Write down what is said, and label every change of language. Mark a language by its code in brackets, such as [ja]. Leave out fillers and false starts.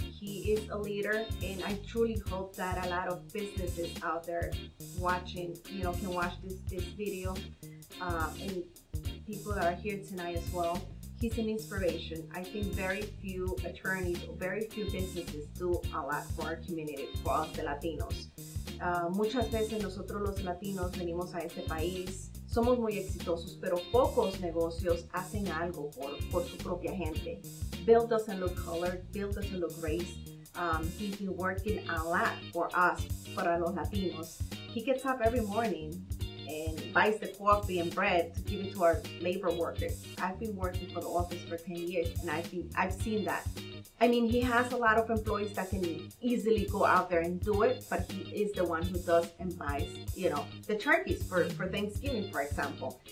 [en] He is a leader, and I truly hope that a lot of businesses out there watching, you know, can watch this video, and people that are here tonight as well. He's an inspiration. I think very few attorneys, very few businesses do a lot for our community, for us, the Latinos. [es] Muchas veces nosotros los Latinos venimos a este país. Somos muy exitosos, pero pocos negocios hacen algo por su propia gente. [en] Bill doesn't look colored. Bill doesn't look race. He's been working a lot for us, [es] para los Latinos. [en] He gets up every morning and buys the coffee and bread to give it to our labor workers. I've been working for the office for 10 years, and I've seen that. I mean, he has a lot of employees that can easily go out there and do it, but he is the one who does and buys, you know, the turkeys for Thanksgiving, for example.